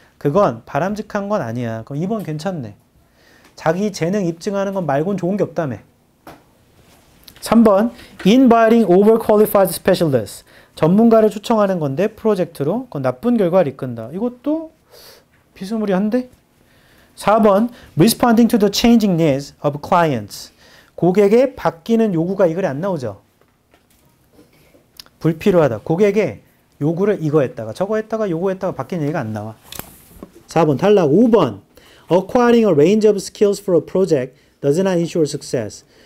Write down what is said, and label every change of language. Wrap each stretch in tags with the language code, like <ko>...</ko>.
<ko>그건 바람직한 건 아니야. 그럼 2번 괜찮네. 자기 재능 입증하는 건 말고는 좋은 게 없다며.</ko> <en>3번 inviting overqualified specialists.</en> <ko>전문가를 초청하는 건데 프로젝트로 그건 나쁜 결과를 이끈다. 이것도 비스무리한데?</ko> <en>4번 Responding to the changing needs of clients.</en> <ko>고객의 바뀌는 요구가 이걸 안 나오죠? 불필요하다. 고객의 요구를 이거 했다가 저거 했다가 요거 했다가 바뀐 얘기가 안 나와. 4번 탈락.</ko> <en>5번 Acquiring a range of skills for a project does not ensure success.</en>